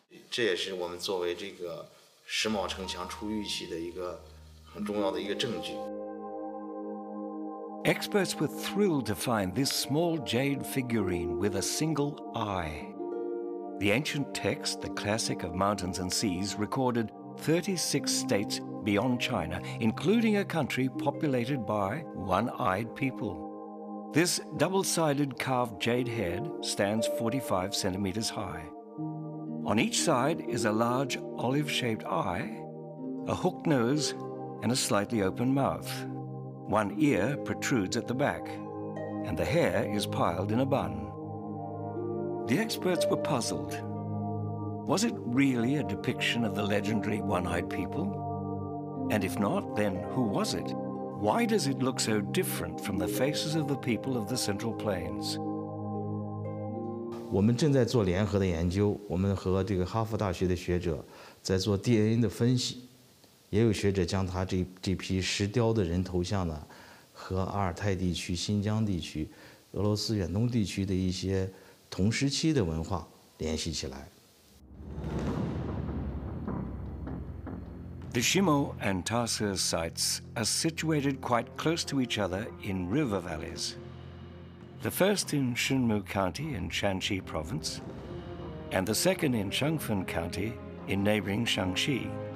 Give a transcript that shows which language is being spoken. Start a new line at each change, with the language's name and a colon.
Chinese: 这也是我们作为这个石卯城墙出玉器的一个很重要的一个证据。
English: Experts were thrilled to find this small jade figurine with a single eye. The ancient text, the classic of mountains and seas, recorded 36 states beyond China, including a country populated by one-eyed people. This double-sided carved jade head stands 45 centimeters high. On each side is a large olive-shaped eye, a hooked nose, and a slightly open mouth. One ear protrudes at the back, and the hair is piled in a bun. The experts were puzzled. Was it really a depiction of the legendary one-eyed people? And if not, then who was it? Why does it look so different from the faces of the people of the Central Plains?
Chinese: 我们正在做联合的研究，我们和这个哈佛大学的学者在做 DNA 的分析，也有学者将他这批石雕的人头像呢，和阿尔泰地区、新疆地区、俄罗斯远东地区的一些同时期的文化联系起来。
English: The Shimo and Tarsus sites are situated quite close to each other in river valleys. The first in Shunmu County in Shanxi Province, and the second in Shengfen County in neighboring Shanxi.